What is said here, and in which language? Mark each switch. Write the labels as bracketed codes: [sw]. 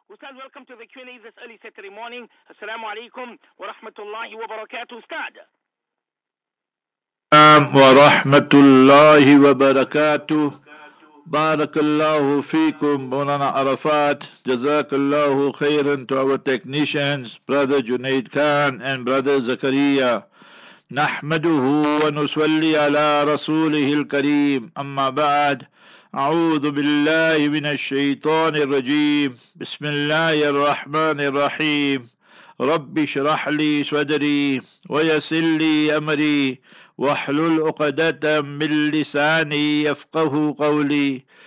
[en] أستاذ welcome to the Q and A this early Saturday morning. [ar] السلام عليكم ورحمة الله وبركاته أستاذ. ورحمة الله وبركاته. بارك الله فيكم مولانا عرفات. جزاك الله خيرا [en] to our technicians brother Junaid Khan and brother زكريا. [ar] نحمده ونصلي على رسوله الكريم. أما بعد, أعوذ بالله من الشيطان الرجيم. بسم الله الرحمن الرحيم. رب اشرح لي صدري ويسر لي أمري واحلل عقدة من لساني يفقه قولي.